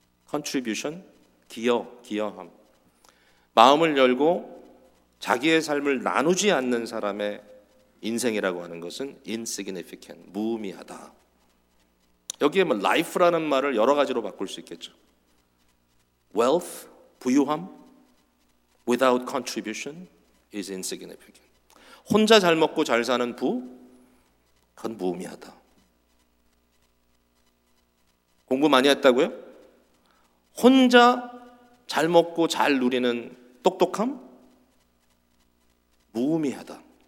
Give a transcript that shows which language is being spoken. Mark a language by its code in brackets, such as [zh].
[ko] Contribution, 기여함. 마음을 열고 자기의 삶을 나누지 않는 사람의 인생이라고 하는 것은 insignificant, 무의미하다. 여기에 뭐 life라는 말을 여러 가지로 바꿀 수 있겠죠. [en] Wealth, 부유함, without contribution is insignificant. [ko] 혼자 잘 먹고 잘 사는 부, 그건 무의미하다. 공부 많이 했다고요? 혼자 잘 먹고 잘 누리는 똑똑함? 무의미하다.